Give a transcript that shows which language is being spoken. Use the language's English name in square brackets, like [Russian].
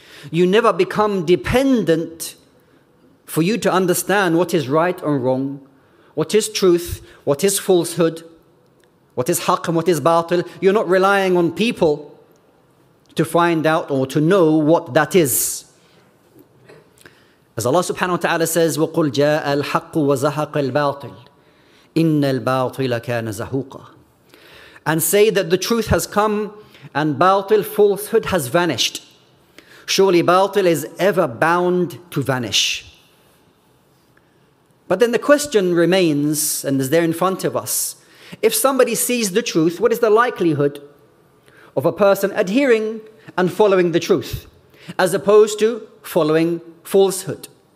[English] You never become dependent for you to understand what is right and wrong, what is truth, what is falsehood, what is haqq and what is batil. You're not relying on people to find out or to know what that is. As Allah subhanahu wa ta'ala says, [Arabic] وَقُلْ جَاءَ الْحَقُّ وَزَهَقَ الْبَاطِلِ إِنَّ الْبَاطِلَ كَانَ زَهُوقًا. [English] And say that the truth has come and batil, falsehood, has vanished. Surely batil is ever bound to vanish. But then the question remains and is there in front of us. If somebody sees the truth, what is the likelihood of a person adhering and following the truth as opposed to following falsehood?